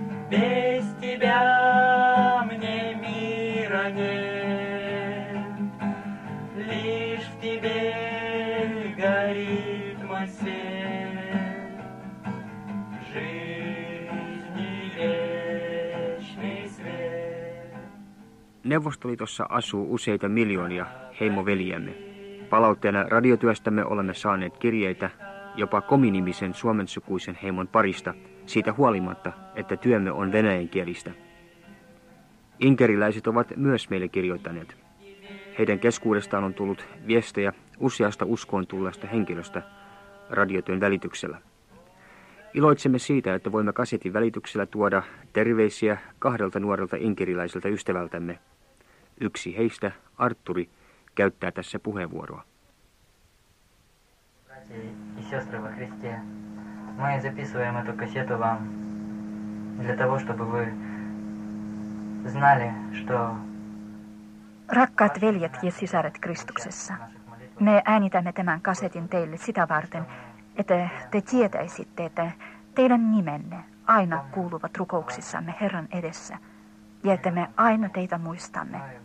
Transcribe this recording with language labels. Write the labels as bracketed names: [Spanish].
[Russian] Без тебя мне мира нет, лишь в тебе горит мой свет, жизни вечный свет. [Finnish] Neuvostoliitossa asuu useita miljoonia heimoveljiämme. Palautteena radiotyöstämme olemme saaneet kirjeitä jopa Komi-nimisen suomensukuisen heimon parista, siitä huolimatta, että työmme on venäjänkielistä. Inkeriläiset ovat myös meille kirjoittaneet. Heidän keskuudestaan on tullut viestejä useasta uskoon tulleesta henkilöstä radiotyön välityksellä. Iloitsemme siitä, että voimme kasetin välityksellä tuoda terveisiä kahdelta nuorelta inkeriläiseltä ystävältämme. Yksi heistä, Arturi, käyttää tässä puheenvuoroa. [Russian] И сестры во Христе, мы записываем эту кассету вам для того, чтобы вы знали, что... [Finnish] Rakkaat veljet ja sisaret Kristuksessa, me äänitämme tämän kasetin teille sitä varten, että te tietäisitte, että teidän nimenne aina kuuluvat rukouksissamme Herran edessä, ja että me aina teitä muistamme.